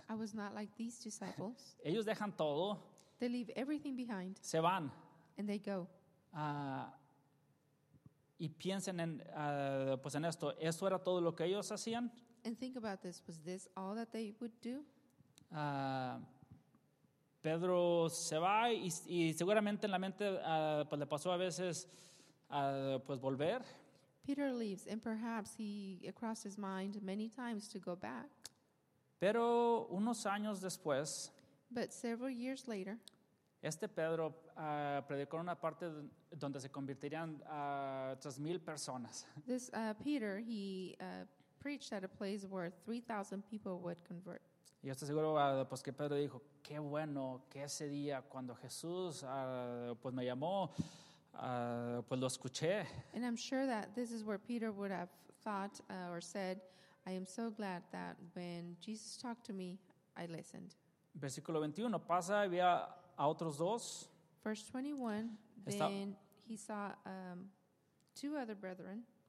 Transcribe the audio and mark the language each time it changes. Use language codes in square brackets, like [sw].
[en] I was not like these disciples. [es] Ellos dejan todo. [en] They leave everything behind. [es] Se van. [en] And they go. [es] Y piensen en pues en esto. ¿Eso era todo lo que ellos hacían? [en] And think about this. Was this all that they would do? [es] Pedro se va y seguramente en la mente pues le pasó a veces pues volver. [en] Peter leaves and perhaps he crossed his mind many times to go back. [es] Pero unos años después, [en] but several years later, [es] este Pedro predicó una parte donde se convertirían 3,000 personas. [en] This Peter, he preached at a place where 3,000 people would convert. [es] Y estoy seguro pues que Pedro dijo, qué bueno que ese día cuando Jesús pues me llamó, pues lo escuché. [en] And I'm sure that this is where Peter would have thought or said, I am so glad that when Jesus talked to me, I listened. [es] Versículo 21, pasa y ve a otros dos. [en] Verse 21, then he saw two other brethren.